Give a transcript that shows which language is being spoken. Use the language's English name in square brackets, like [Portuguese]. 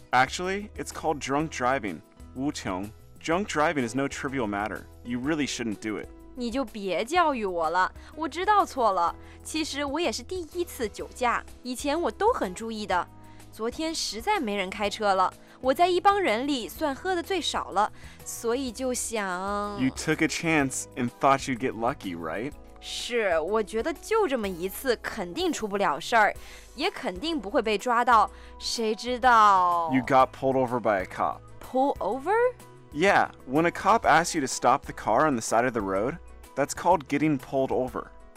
[English] Actually, it's called drunk driving. 无穷 drunk driving is no trivial matter. You really shouldn't do it. [Chinese] 你就别教育我了，我知道错了。其实我也是第一次酒驾，以前我都很注意的。昨天实在没人开车了，我在一帮人里算喝的最少了，所以就想 [English] You took a chance and thought you'd get lucky, right? [Chinese] 是，我觉得就这么一次肯定出不了事儿，也肯定不会被抓到，谁知道 [English] You got pulled over by a cop. Pull over? Yeah, when a cop asks you to stop the car on the side of the road, that's called getting pulled over.